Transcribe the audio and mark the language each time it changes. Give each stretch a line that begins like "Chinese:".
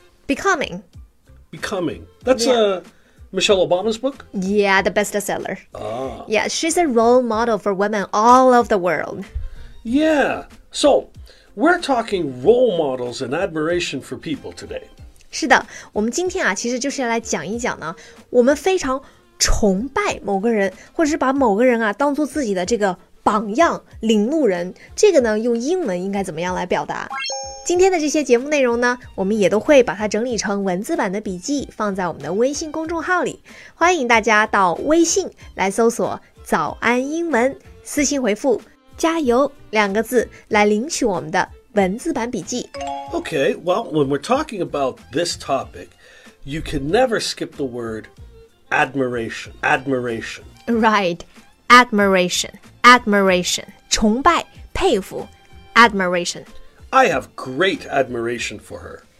English: Becoming. Becoming. That's Michelle Obama's book? Yeah, the bestseller. Ah. Yeah, she's a role model for women all over the world. Yeah, so we're talking role models and admiration for people today.
Chinese: 是的，我们今天啊，其实就是要来讲一讲呢，我们非常崇拜某个人，或者是把某个人啊当做自己的这个榜样、领路人，这个呢用英文应该怎么样来表达？今天的这些节目内容呢，我们也都会把它整理成文字版的笔记，放在我们的微信公众号里。欢迎大家到微信来搜索“早安英文”，私信回复“加油”两个字来领取我们的文字版笔记。
English: Okay, well, when we're talking about this topic, you can never skip the word admiration. Admiration. Right, admiration, admiration,
Chinese: 崇拜、佩服
English: admiration. I have great admiration for her.